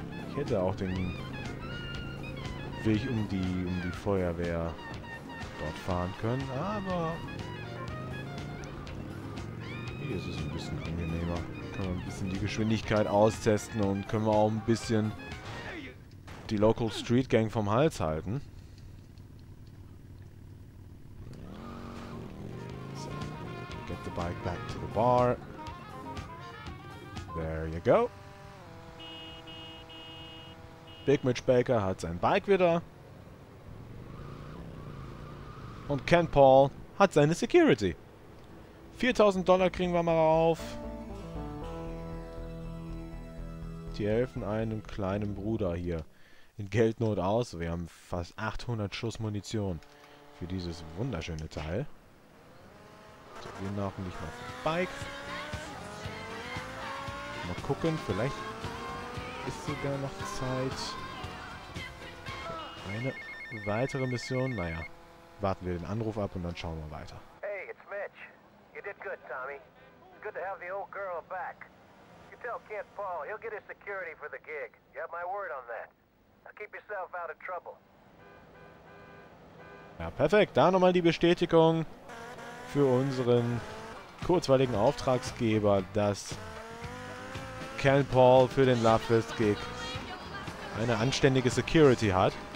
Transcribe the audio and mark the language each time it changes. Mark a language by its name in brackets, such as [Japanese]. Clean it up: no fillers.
[German] Ich hätte auch den Weg um die Feuerwehr dort fahren können, aber hier ist es ein bisschen angenehmer. Können wir ein bisschen die Geschwindigkeit austesten und können wir auch ein bisschen die Local Street Gang vom Hals halten. [English] So, get the bike back to the bar. There you go. [German] Big Mitch Baker hat sein Bike wieder. Und Ken Paul hat seine Security. $4000 kriegen wir mal auf. Die helfen einem kleinen Bruder hier in Geldnot aus. Wir haben fast 800 Schuss Munition für dieses wunderschöne Teil. So, wir machen nicht mal vom Bike. Mal gucken, vielleicht ist sogar noch Zeit. Eine weitere Mission, naja, warten wir den Anruf ab und dann schauen wir weiter. [English] Hey, it's Mitch. You did good, Tommy. It's good to have the old girl back. You tell Kent Paul, he'll get his security for the gig. You have my word on that. Now keep yourself out of trouble. [German] Ja, perfekt. Da nochmal die Bestätigung für unseren kurzweiligen Auftraggeber, dass Kent Paul für den Lovefest-Gig eine anständige Security hat.